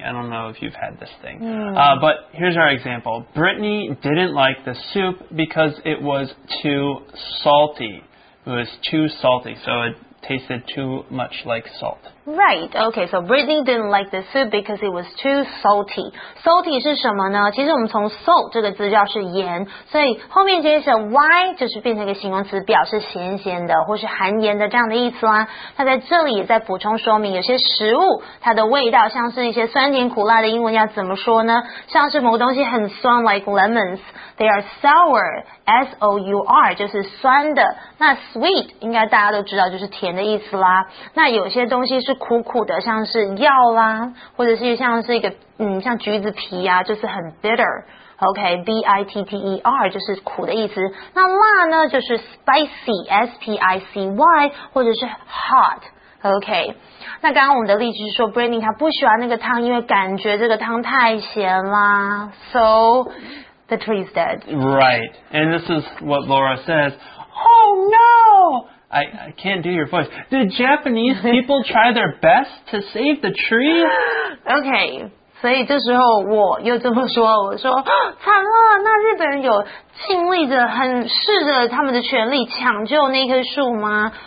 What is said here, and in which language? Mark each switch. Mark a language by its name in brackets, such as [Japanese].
[English] I don't know if you've had this thing. But here's our example. Brittany didn't like the soup because it was too salty. It was too salty, so it tasted too much like salt. Right, okay, so Brittany didn't like the soup because it was too salty. [Chinese] Salty 是什么呢？其实我们从 salt 这个字叫是盐，所以后面接着 why 就是变成一个形容词，表示咸咸的或是含盐的这样的意思啦。那在这里也在补充说明，有些食物它的味道，像是一些酸甜苦辣的英文要怎么说呢？像是某个东西很酸 ， [English] like lemons, they are sour, [Chinese] S-O-U-R 就是酸的。那 sweet 应该大家都知道就是甜的意思啦。那有些东西是苦苦的，像是药啦，或者是像是一个像橘子皮啊，就是很 bitter。 OK, B-I-T-T-E-R 就是苦的意思。那辣呢，就是 spicy, S-P-I-C-Y 或者是 hot。 OK, 那刚刚我们的例子是说 ，Brandy 他不喜欢那个汤，因为感觉这个汤太咸啦。 [English] So the tree is dead. Right, and this is what Laura says. Oh no! I can't do your voice. Did Japanese people try their best to save the tree? [Chinese] Okay, 所以这时候我又这么说，我说惨了，那日本人有尽力着，很试着他们的全力抢救那棵树吗？